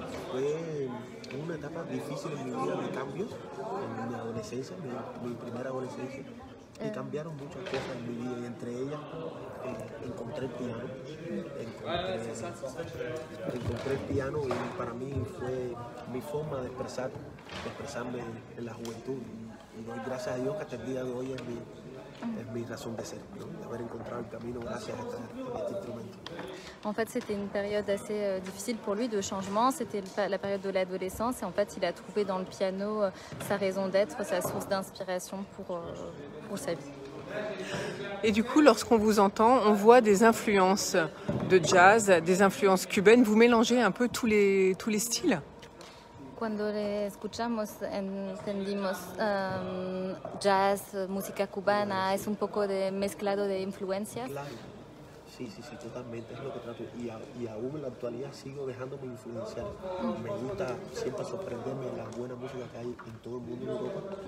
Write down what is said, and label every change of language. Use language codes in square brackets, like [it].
[es] Fue una etapa difícil en mi vida de cambios, en mi adolescencia, mi primera adolescencia, y cambiaron muchas cosas en mi vida, y entre ellas encontré el piano, encontré el piano, y para mí fue mi forma de expresarme en la juventud, y doy gracias a Dios que hasta el día de hoy es mi raison de ser, d'avoir encontré le camino [fr] grâce à cet instrument. En fait, c'était une période assez difficile pour lui de changement. C'était la période de l'adolescence et en fait, il a trouvé dans le piano sa raison d'être, sa source d'inspiration pour sa vie. Et du coup, lorsqu'on vous entend, on voit des influences de jazz, des influences cubaines. Vous mélangez un peu tous les styles? [es] Cuando le escuchamos entendimos jazz, música cubana, es un poco de mezclado de influencias. Claro. Sí, totalmente, es lo que trato. Y aún en la actualidad sigo dejándome influenciar. Me gusta siempre sorprenderme de la buena música que hay en todo el mundo en Europa.